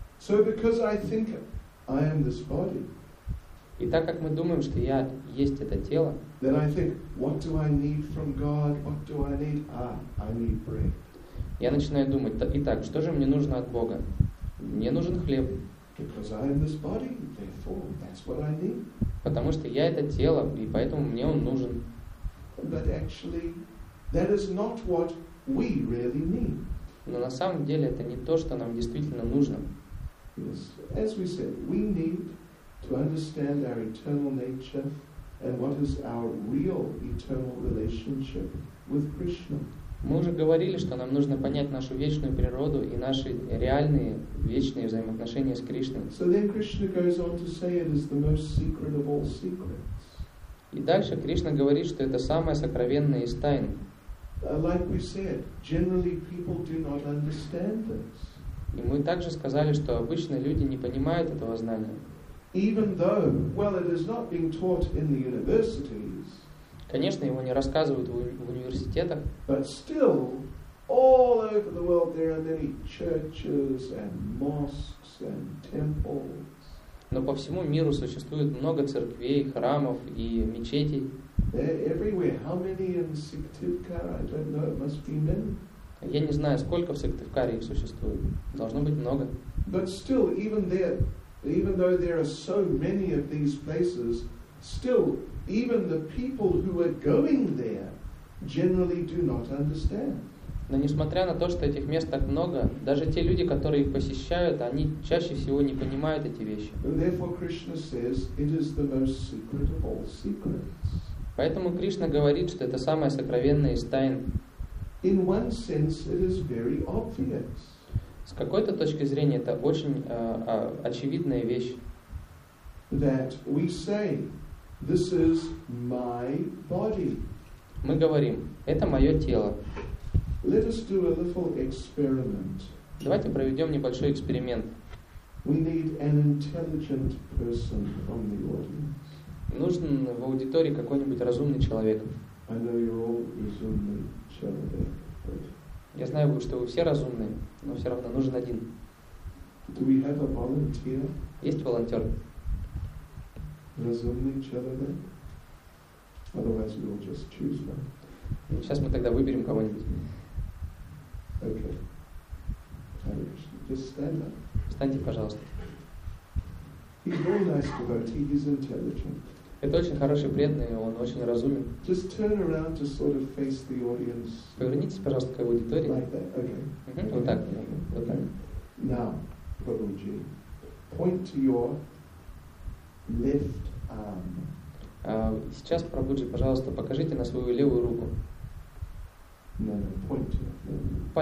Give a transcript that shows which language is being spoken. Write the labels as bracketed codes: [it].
[en] So because I think I am this body. [ru] И так как мы думаем, что я есть это тело. [en] Then I think, what do I need from God? What do I need? I need bread. [ru] Я начинаю думать, итак, что же мне нужно от Бога? Мне нужен хлеб. [en] Because I am this body, therefore that's what I need. [ru] Потому что я это тело, и поэтому мне он нужен. [en] But actually, that is not what we really need. [ru] Но на самом деле это не то, что нам действительно нужно. [en] Yes. As we said, we need to understand our eternal nature and what is our real eternal relationship with Krishna. [ru] Мы уже говорили, что нам нужно понять нашу вечную природу и наши реальные вечные взаимоотношения с Кришной. [en] So then Krishna goes on to say it is the most secret of all secrets. [ru] И дальше Кришна говорит, что это самое сокровенное из тайн. [en] Like we said, generally people do not understand this. [ru] И мы также сказали, что обычно люди не понимают этого знания. [en] Even though, well, it is not being taught in the universities. [ru] Конечно, его не рассказывают в университетах. [en] But still, all over the world there are many churches and mosques and temples. [ru] Но по всему миру существует много церквей, храмов и мечетей. [en] They're everywhere. How many in Siktivkara? I don't know. It must be many. [ru] Я не знаю, сколько в Сыктывкаре их существует. Должно быть много. [en] But still, even though there are so many of these places, still. Even the people who are going there generally do not understand. [ru] Но несмотря на то, что этих мест так много, даже те люди, которые их посещают, они чаще всего не понимают эти вещи. [en] Therefore, Krishna says it is the most secret of all secrets. [ru] Поэтому Кришна говорит, что это самое сокровенное из тайн. [en] In one sense, it is very obvious. [ru] С какой-то точки зрения это очень очевидная вещь. [en] That we say. This is my body. [ru] Мы говорим, это мое тело. [en] Let us do a little experiment. [ru] Давайте проведем небольшой эксперимент. [en] We need an intelligent person from the audience. [ru] Нужен в аудитории какой-нибудь разумный человек. [en] I know you're all [ru] разумный человек. Я знаю, что вы все разумные, но все равно нужен один. [en] Do we have a volunteer? [ru] Есть волонтер? Разумный человек. [en] Otherwise we'll just choose one. [ru] Сейчас мы тогда выберем кого-нибудь. [en] Okay. Just stand up. [ru] Встаньте, пожалуйста. [en] He's very nice devotee. He's intelligent. [ru] Это очень хороший преданный, он очень разумен. [en] Just turn around to sort of face the audience. [ru] Повернитесь, пожалуйста, к аудитории. [en] Like that. Okay. [ru] Mm-hmm. Вот так. Вот так. [en] Now, Prabhuji, point to your left arm. [ru] Сейчас, Прабуджи, пожалуйста, покажите на свою левую руку. [en] No, point to your